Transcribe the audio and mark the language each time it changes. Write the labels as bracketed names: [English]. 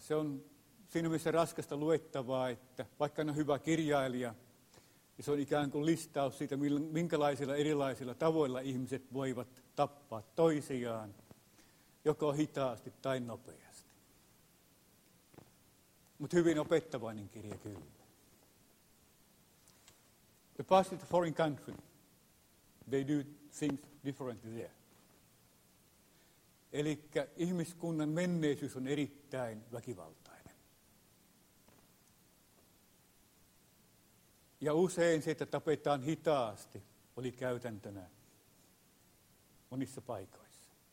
[Finnish] Se on siinä mielessä raskasta luettavaa, että vaikka on hyvä kirjailija, ja se on ikään kuin listaus siitä, minkälaisilla erilaisilla tavoilla ihmiset voivat tappaa toisiaan, joko hitaasti tai nopeasti. Mutta hyvin opettavainen kirja kyllä. [English] The Past is a Foreign Country. They do things differently there. [Finnish] Eli ihmiskunnan menneisyys on erittäin väkivaltainen. Ja usein se, että tapetaan hitaasti, oli käytäntönä monissa paikoissa.